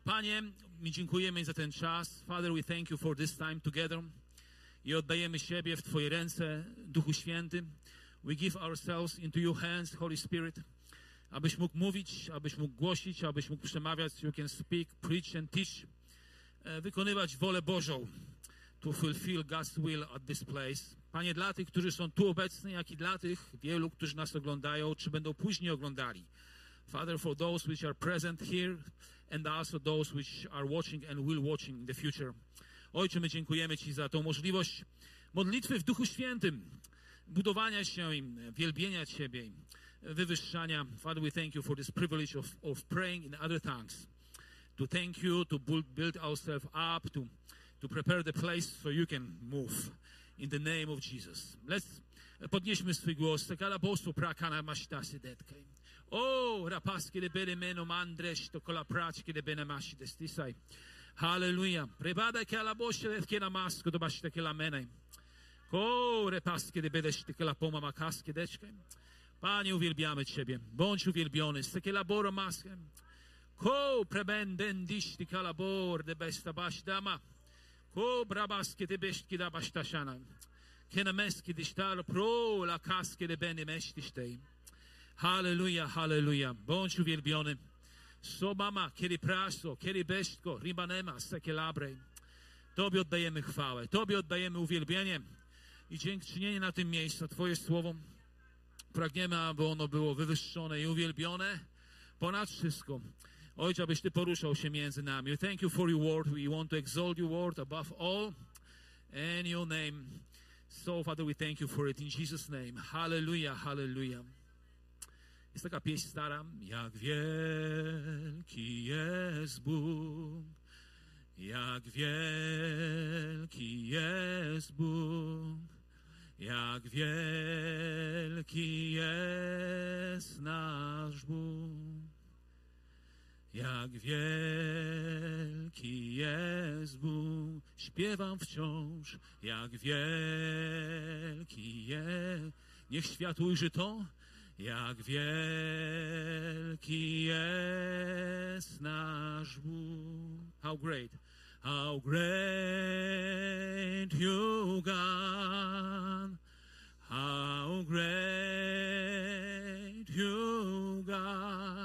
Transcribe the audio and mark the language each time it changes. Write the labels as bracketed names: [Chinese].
[Polish] Panie, my dziękujemy za ten czas. [English] Father, we thank you for this time together [Polish] i oddajemy siebie w Twoje ręce, Duchu Święty. [English] We give ourselves into your hands, Holy Spirit, [Polish] abyś mógł mówić, abyś mógł głosić, abyś mógł przemawiać, [English] you can speak, preach and teach, [Polish] wykonywać wolę Bożą. [English] To fulfill God's will at this place. [Polish] Panie, dla tych, którzy są tu obecni, jak i dla tych wielu, którzy nas oglądają, czy będą później oglądali. [English] Father, for those which are present here and also those which are watching and will watching in the future. [Polish] Ojcze, my dziękujemy Ci za tą możliwość modlitwy w Duchu Świętym, budowania się im, wielbienia Ciebie, wywyższania. [English] Father, we thank you for this privilege of praying in other tongues. To thank you, to build ourselves up, to prepare the place so you can move in the name of Jesus. Let's [Polish] podnieśmy swój głos. Takala bosu prakana masitasi detkej. O, rapas kiedy bene meno mandres, to kola prac kiedy bene masitas tisaj. Halleluja. Prebada kala bosu detkej na masku, to masitas kiela menej. Ko, rapas kiedy bene sztik kala poma makas kiedy detkej. Panie, uwielbiamy Ciebie. Bądź uwielbiony. Takala boro maskiem. Ko, prebenden dis, takala bor, de besta basi dama. O brabaskie te beszki da basztasiana. Kena meski dysztal pro la kaskie de bene mesztysztej. Halleluja, halleluja. Bądź uwielbiony. So mama, kiedy praso, kiedy besztko, riba nema, seke labre. Tobie oddajemy chwałę, Tobie oddajemy uwielbienie i dziękczynienie na tym miejscu. Twoje słowo pragniemy, aby ono było wywyższone i uwielbione ponad wszystko. Ojcze, abyś Ty poruszał się między nami. [English] We thank you for your word. We want to exalt your word above all and your name. So, Father, we thank you for it in Jesus' name. [Polish] Hallelujah, hallelujah. Jest taka pieśń stara. Jak wielki jest Bóg, jak wielki jest Bóg, jak wielki jest nasz Bóg. Jak wielki jest Bóg, śpiewam wciąż, jak wielki jest, niech świat ujrzy to, jak wielki jest nasz Bóg. [English] How great you God, how great you God.